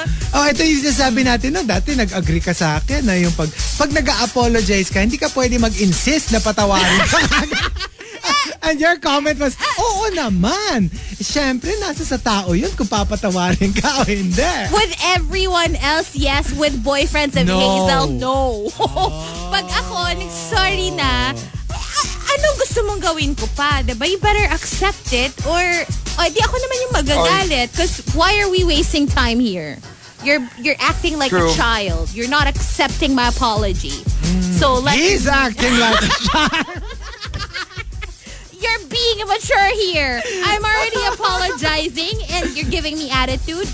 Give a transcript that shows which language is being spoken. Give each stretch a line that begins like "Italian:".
Filipino: Oh, ito yung sinasabi natin no, dati nag-agree ka sa akin na yung pag nag-apologize ka, hindi ka pwede mag-insist na patawarin ka.
English: And your comment was,
Filipino: oo naman. Siyempre, nasa sa tao yun kung papatawarin ka o hindi.
English: With everyone else, yes. With boyfriends of Hazel, no.
Filipino: Pag ako, sorry na, anong gusto mong gawin ko pa? Diba?
English: You better accept it
Filipino: or di ako naman yung magagalit.
English: Because why are we wasting time here? You're acting like a child. You're not accepting my apology. So he's acting like a child. You're being immature here. I'm already apologizing and you're giving me attitude.